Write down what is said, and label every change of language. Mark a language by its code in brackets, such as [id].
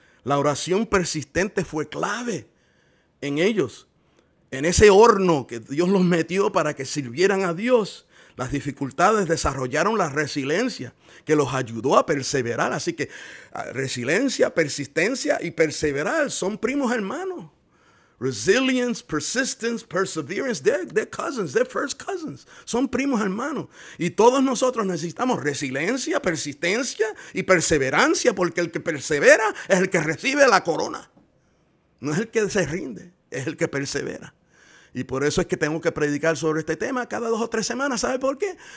[es] La oración persistente fue clave en ellos. En ese horno que Dios los metió para que sirvieran a Dios, las dificultades desarrollaron la resiliencia que los ayudó a perseverar. Así que resiliencia, persistencia y perseverar son primos hermanos. [en] Resilience, persistence, perseverance, they're cousins, they're first cousins. [es] Son primos hermanos. Y todos nosotros necesitamos resiliencia, persistencia y perseverancia, porque el que persevera es el que recibe la corona. No es el que se rinde, es el que persevera. Y por eso es que tengo que predicar sobre este tema cada 2 o 3 semanas. ¿Sabe por qué?